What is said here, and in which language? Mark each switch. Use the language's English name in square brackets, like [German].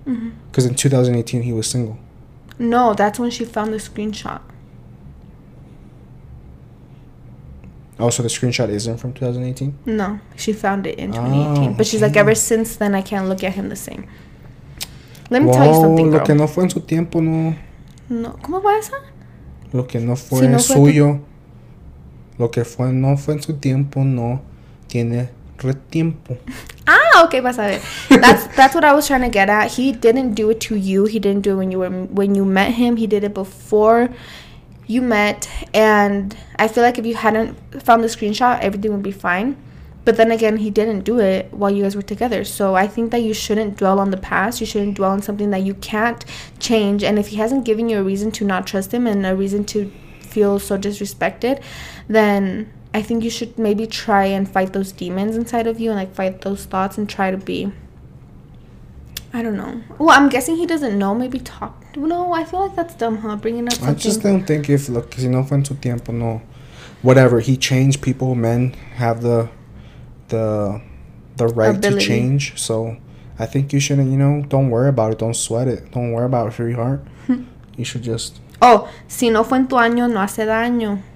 [English] Mm-hmm. Because in 2018, he was single. No, that's when she found the screenshot. Oh, so the screenshot isn't from 2018? No, she found it in 2018. Oh, but she's like, ever since then, I can't look at him the same. Let me tell you something, girl. [Spanish] Lo que no fue en su tiempo, no... No, ¿cómo va esa? Lo que no fue si no en fue suyo, lo que fue no fue en su tiempo, no tiene retiempo. Ah, okay, vas a ver. [English] That's what I was trying to get at. He didn't do it to you. He didn't do it when you met him. He did it before you met. And I feel like if you hadn't found the screenshot, everything would be fine. But then again, he didn't do it while you guys were together. So I think that you shouldn't dwell on the past. You shouldn't dwell on something that you can't change. And if he hasn't given you a reason to not trust him and a reason to feel so disrespected, then I think you should maybe try and fight those demons inside of you and like fight those thoughts and try to be, I don't know. Well, I'm guessing he doesn't know. Maybe talk. No, I feel like that's dumb, huh? Bringing up something. I just don't think if, look, [Spanish] si no fue en su tiempo, no. [English] Whatever, he changed people. Men have the right ability to change. So I think you shouldn't, you know, don't worry about it. Don't sweat it. Don't worry about it for your heart. You should just... [Spanish] Oh, si no fue en tu año, no hace daño.